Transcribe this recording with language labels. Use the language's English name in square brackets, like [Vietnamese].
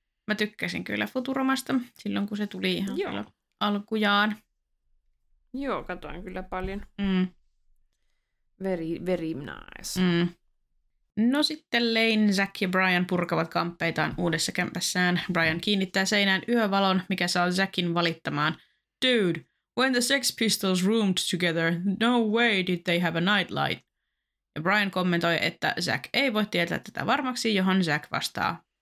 [Finnish] Mä tykkäsin kyllä Futuramasta silloin, kun se tuli ihan alkujaan. Joo, katoin kyllä paljon. Mm. [English] Very, very nice. Mm. [Finnish] No sitten Lane, Zack ja Brian purkavat kamppeitaan uudessa kämpässään. Brian kiinnittää seinään yövalon, mikä saa Zackin valittamaan. [English] Dude, when the Sex Pistols roomed together, no way did they have a nightlight. [Finnish] Ja Brian kommentoi, että Zack ei voi tietää tätä varmaksi, johon Zack vastaa.